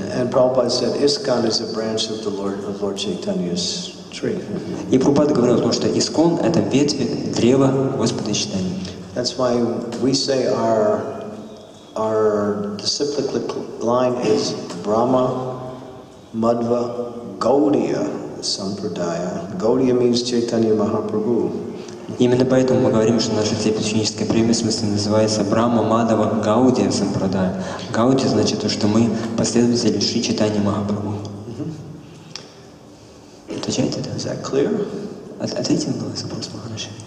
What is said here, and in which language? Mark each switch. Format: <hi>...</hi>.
<en>And Prabhupada said, ISKCON is a branch of the Lord, of Lord Chaitanya's tree.</en> <ru>И Прабхупада говорил о том, что ИСККОН — это ветвь, древо Господа Чайтаньи.</ru> <en>That's why we say our disciplic line is Brahma, Madhva, Gaudiya, Sampradaya. Gaudiya means Chaitanya Mahaprabhu.</en> <ru>Именно поэтому мы говорим, что наша цепь ученической преемственности называется Брахма Мадхава Гаудия Сампрадая. Гаудия значит то, что мы последователи Шри Чайтаньи Махапрабху. Отвечаете, да?</ru> <en>Is that clear?</en> <ru>Ответьте на вопрос, пожалуйста.</ru>